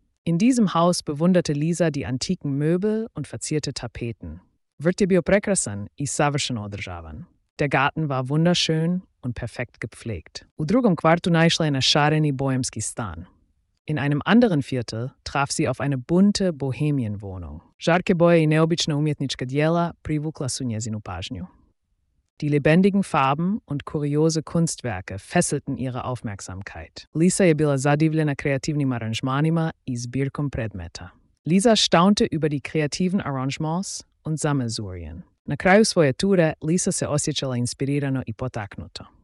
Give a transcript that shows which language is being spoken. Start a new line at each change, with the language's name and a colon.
German: In diesem Haus bewunderte Lisa die antiken Möbel und verzierte Tapeten.
Croatian: Wird je bio prekrasan i savršeno održavan.
German: Der Garten war wunderschön und perfekt gepflegt.
Croatian: U drugom kvartu naišla je na šareni bohemski stan.
German: In einem anderen Viertel traf sie auf eine bunte Bohemienwohnung.
Croatian: Žarke boje i neobična umjetnička djela privukla su njezinu pažnju.
German: Die lebendigen Farben und kuriose Kunstwerke fesselten ihre Aufmerksamkeit.
Croatian: Lisa je bila zadivljena kreativnim aranžmanima i zbirkom predmeta.
German: Lisa staunte über die kreativen Arrangements und Sammelsurien.
Croatian: Na kraju svoje ture Lisa se osjećala inspirirano i potaknuto.